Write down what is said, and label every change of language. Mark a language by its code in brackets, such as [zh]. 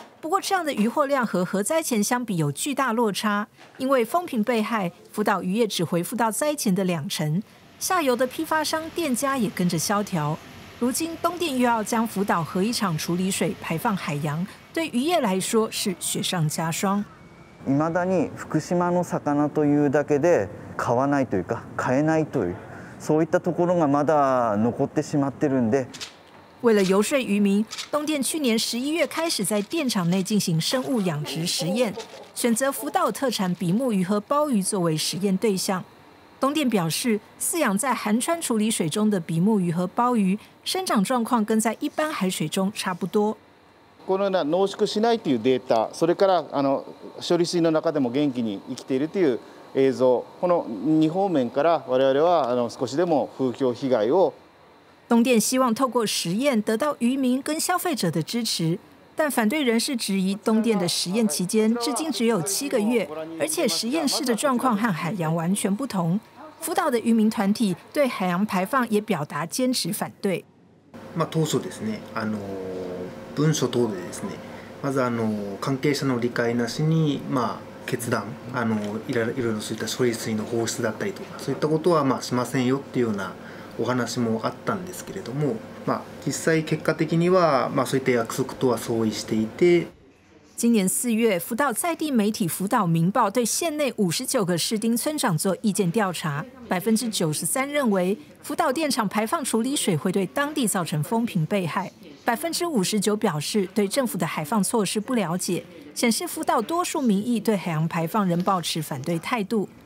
[zh] 不过，这样的渔获量和核灾前相比有巨大落差，因为风评被害，福岛渔业只回复到灾前的20%，下游的批发商、店家也跟着萧条。如今，东电又要将福岛核一厂处理水排放海洋，对渔业来说是雪上加霜。 [ja] いまだに福島の魚というだけで買わないというか買えないという、そういったところがまだ残ってしまってるんで。 [zh] 为了游说渔民，东电去年11月开始在电厂内进行生物养殖实验，选择福岛特产比目鱼和鲍鱼作为实验对象。东电表示，饲养在寒川处理水中的比目鱼和鲍鱼生长状况跟在一般海水中差不多。 [ja] このような濃縮しないというデータ、それから処理水の中でも元気に生きているという映像、この2方面から我々は少しでも風評被害を。 [zh] 东电希望透过实验得到渔民跟消费者的支持，但反对人士质疑东电的实验期间至今只有7个月，而且实验室的状况和海洋完全不同。福岛的渔民团体对海洋排放也表达坚持反对。 [ja] まあ当初ですね、文書等でですね、まず関係者の理解なしに、まあ決断、いろいろそういった処理水の放出だったりとか、そういったことはまあしませんよっていうようなお話もあったんですけれども、実際結果的には、そういった約束とは相違していて。 [zh] 今年4月，福岛在地媒体《福岛民报》对县内59个士町村长做意见调查，93%认为福岛电厂排放处理水会对当地造成风评被害，59%表示对政府的海放措施不了解，显示福岛多数民意对海洋排放仍保持反对态度。